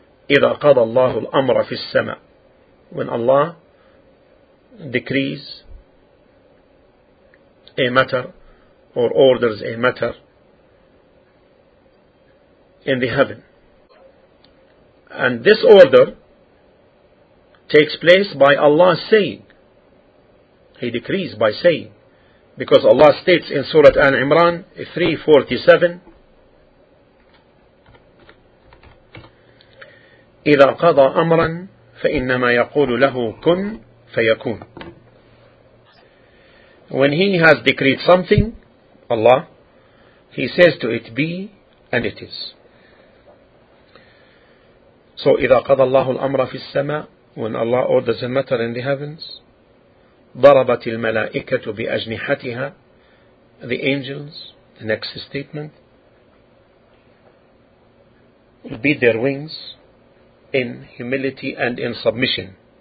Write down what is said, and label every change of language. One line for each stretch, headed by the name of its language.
Arabic: إِذَا قَضَى اللَّهُ الْأَمْرَ فِي السَّمَاءِ.
English: When Allah decrees a matter or orders a matter in the heaven. And this order takes place by Allah saying. He decrees by saying. Because Allah states in Surah Al-Imran 347,
Arabic: إذا قضى أمرا فإنما يقول له كن فيكون.
English: when he has decreed something, Allah, he says to it, be, and it is. So,
Arabic: إِذَا قَضَى اللَّهُ الْأَمْرَ فِي السَّمَاءِ,
English: when Allah orders a matter in the heavens,
Arabic: ضَرَبَتِ الْمَلَائِكَةُ بِأَجْنِحَتِهَا,
English: the angels, the next statement, beat their wings in humility and in submission.